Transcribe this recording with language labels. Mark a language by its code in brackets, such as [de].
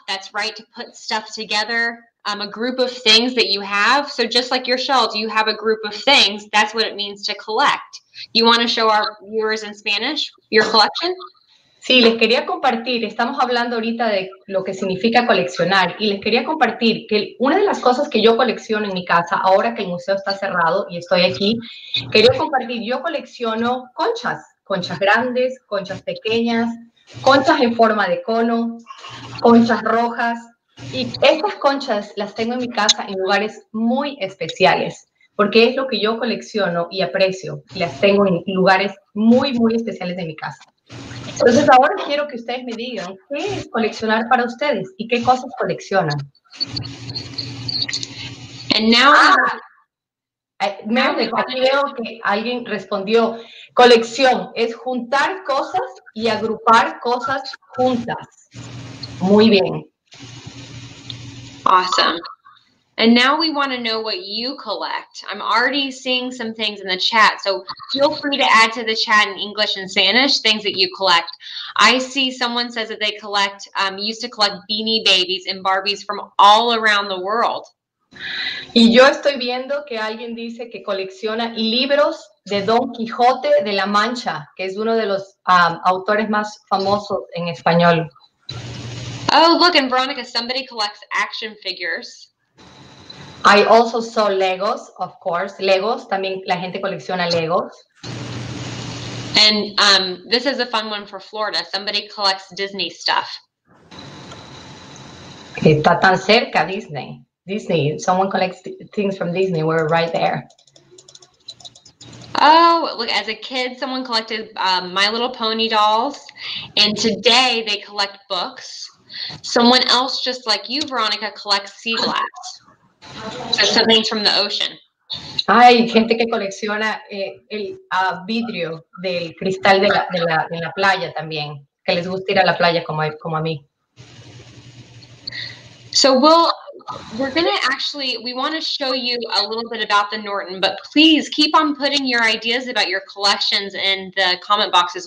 [en] That's right, to put stuff together, a group of things that you have. So just like your shelves, you have a group of things. That's what it means to collect. You want to show our viewers in Spanish your collection? [es] Sí, les quería compartir, estamos hablando ahorita de lo que significa coleccionar y les quería compartir que una de las cosas que yo colecciono en mi casa, ahora que el museo está cerrado y estoy aquí, quería compartir, yo colecciono conchas, conchas grandes, conchas pequeñas, conchas en forma de cono, conchas rojas y estas conchas las tengo en mi casa en lugares muy especiales. Porque es lo que yo colecciono y aprecio. Las tengo en lugares muy, muy especiales de mi casa. Entonces, ahora quiero que ustedes me digan qué es coleccionar para ustedes y qué cosas coleccionan. [en] And now [es] creo que alguien respondió. Colección es juntar cosas y agrupar cosas juntas. Muy bien. [en] Awesome. And now we want to know what you collect. I'm already seeing some things in the chat, so feel free to add to the chat in English and Spanish things that you collect. I see someone says that they collect, used to collect Beanie Babies and Barbies from all around the world. [es] Y yo estoy viendo que alguien dice que colecciona libros de Don Quijote de la Mancha, que es uno de los autores más famosos en español. [en] Oh, look, and Veronica, somebody collects action figures. I also saw Legos, of course. Legos, [es] también la gente colecciona Legos. [en] And this is a fun one for Florida. Somebody collects Disney stuff. [es] Está tan cerca Disney. [en] Disney, someone collects things from Disney. We're right there. Oh, look, as a kid, someone collected My Little Pony dolls. And today, they collect books. Someone else, just like you, Veronica, collects sea glass. So something from the ocean. [es] Hay gente que colecciona el vidrio del cristal de la playa también, que les gusta ir a la playa como a mí. [en] So we're going to actually, we want to show you a little bit about the Norton, but please keep on putting your ideas about your collections in the comment boxes.